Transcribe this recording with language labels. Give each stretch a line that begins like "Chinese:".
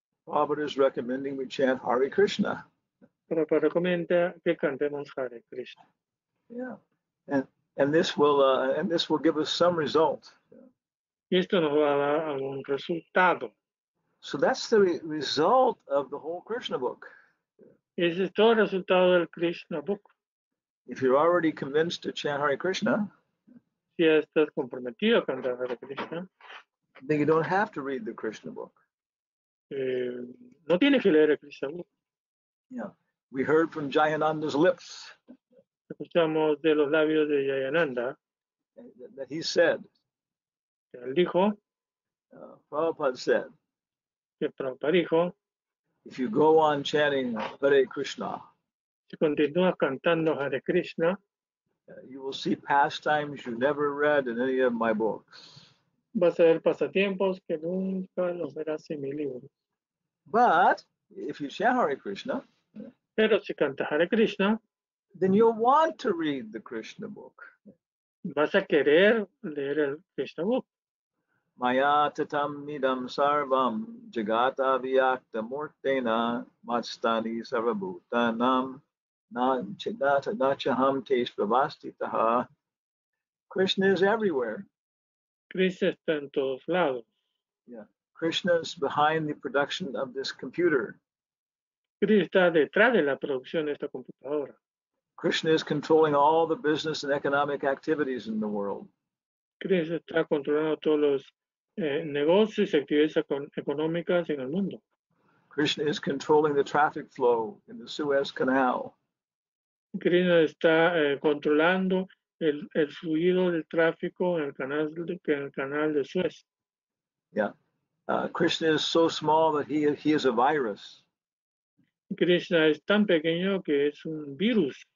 English: Prabhupada is recommending we chant Hare Krishna.
Spanish: Prabhupada recomienda que cantemos Hare Krishna.
English: Yeah. And this will give us some result.
Spanish: Y esto nos va a dar algún resultado.
English: So that's the result of the whole Krishna book.
Spanish: Ese es todo el resultado del Krishna book.
English: If you're already convinced to chant Hare Krishna,
Spanish: si ya estás comprometido a cantar Hare Krishna,
English: then you don't have to read the Krishna book.
Spanish: No tienes que leer el Krishna book.
English: Yeah, we heard from Jayananda's lips.
Spanish: Escuchamos de los labios de Jayananda
English: that he said,
Spanish: que él dijo,
English: Prabhupada said,
Spanish: que Prabhupada dijo,
English: if you go on chanting Hare Krishna,
Spanish: si continúas cantando Hare Krishna,
English: you will see pastimes you never read in any of my books.
Spanish: Vas a ver pasatiempos que nunca los verás en mi libro.
English: But if you chant Hare Krishna,
Spanish: pero si cantas Hare Krishna,
English: then you'll want to read the Krishna book.
Spanish: Vas a querer leer el Krishna book.
Sanskrit: Maya tatam nidam sarvam jagata vyakta murtena matstani sarvabhutanam nachaham te svavastitaha.
English: Krishna is everywhere.
Spanish: Krishna está en todos lados.
English: Yeah. Krishna is behind the production of this computer.
Spanish: Krishna está detrás de la producción de esta computadora.
English: Krishna is controlling all the business and economic activities in the world.
Spanish: Krishna está controlando todos los negocios y actividades económicas en el mundo.
English: Krishna is controlling the traffic flow in the Suez Canal.
Spanish: Krishna está controlando el fluido del tráfico en el canal de Suez.
English: Yeah. Krishna is so small that he is a virus.
Spanish: Krishna es tan pequeño que es un virus.